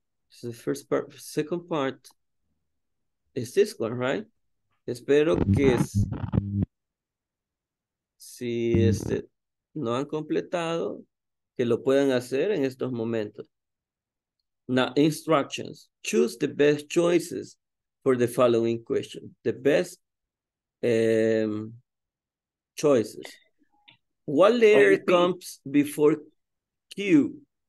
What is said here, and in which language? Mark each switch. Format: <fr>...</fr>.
<en>So the first part, second part is this one, right?</en> <es>Espero que es, si este no han completado, que lo puedan hacer en estos momentos.</es> <en>Now, instructions. Choose the best choices for the following question. The best choices. What letter comes before Q?</en>